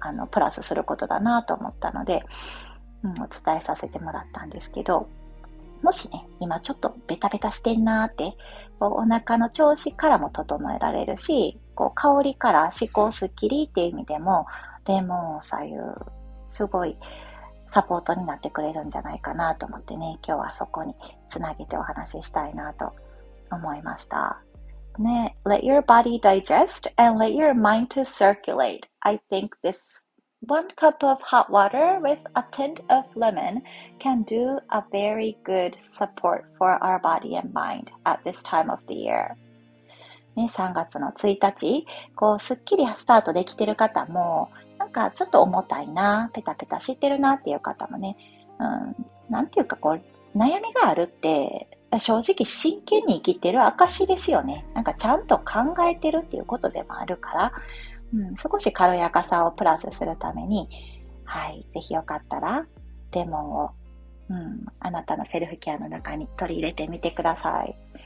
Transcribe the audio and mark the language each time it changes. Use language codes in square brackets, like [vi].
[ja] プラスすることだなと思ったので、お伝えさせてもらったんですけど、もしね、今ちょっとベタベタしてんなーって、お腹の調子からも整えられるし、こう香りから思考スッキリっていう意味でも、レモンおさゆ、すごいサポートになってくれるんじゃないかなと思ってね、今日はそこにつなげてお話ししたいなと思いました。 [en] ね、let your body digest and let your mind to circulate. I think this one cup of hot water with a tint of lemon can do a very good support for our body and mind at this time of the year. [ja] ね、3月の1日、こうすっきりスタートできてる方も、なんかちょっと重たいな、ペタペタしてるなっていう方もね、なんていうかこう悩みがあるって。正直真剣に生きてる証ですよね。なんかちゃんと考えてるっていうことでもあるから、少し軽やかさをプラスするために、はい、ぜひよかったら、レモンを、あなたのセルフケアの中に取り入れてみてください。